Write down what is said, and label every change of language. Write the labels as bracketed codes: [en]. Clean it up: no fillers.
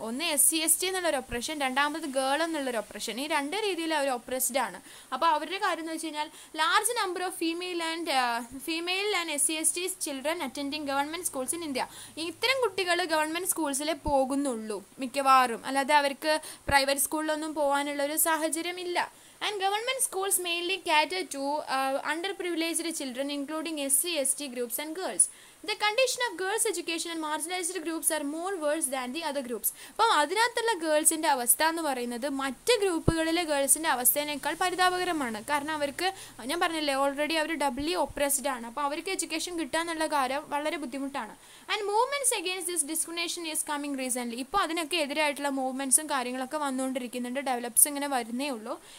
[ml] ഒന്ന് SC ST എന്നുള്ളൊരു oppression, രണ്ടാമത് ഗേൾ എന്നുള്ളൊരു ഒപ്രഷൻ, ഈ രണ്ട് രീതിയിൽ അവർ ഒപ്രസ്ഡ് ആണ്. അപ്പോൾ അവരുടെ കാര്യം എന്ന് വെച്ച് കഴിഞ്ഞാൽ [en] large number of female and SC ST children attending government schools in India, [ml] ഇത്തരം കുട്ടികൾ ഗവൺമെൻറ് സ്കൂൾസിലെ പോകുന്നുള്ളൂ മിക്കവാറും, അല്ലാതെ അവർക്ക് പ്രൈവറ്റ് സ്കൂളിലൊന്നും പോകാനുള്ളൊരു സാഹചര്യമില്ല. [en] And government schools mainly cater to underprivileged children, including SC, ST groups and girls. The condition of girls' education and marginalized groups are more worse than the other groups. [ml] അപ്പം അതിനകത്തുള്ള ഗേൾസിൻ്റെ അവസ്ഥ എന്ന് പറയുന്നത് മറ്റ് ഗ്രൂപ്പുകളിലെ ഗേൾസിൻ്റെ അവസ്ഥേനേക്കാൾ പരിതാപകരമാണ്. കാരണം അവർക്ക്, ഞാൻ പറഞ്ഞില്ലേ ഓൾറെഡി, അവർ ഡബ്ലി ഒപ്രസ്ഡ് ആണ്. അപ്പോൾ അവർക്ക് എഡ്യൂക്കേഷൻ കിട്ടാനുള്ള കാര്യം വളരെ ബുദ്ധിമുട്ടാണ്. [en] And movements against this discrimination is coming recently. [ml] ഇപ്പോൾ അതിനൊക്കെ എതിരായിട്ടുള്ള മൂവ്മെൻറ്റ്സും കാര്യങ്ങളൊക്കെ വന്നുകൊണ്ടിരിക്കുന്നുണ്ട്. ഡെവലപ്സ് ഇങ്ങനെ വരുന്നേ ഉള്ളൂ.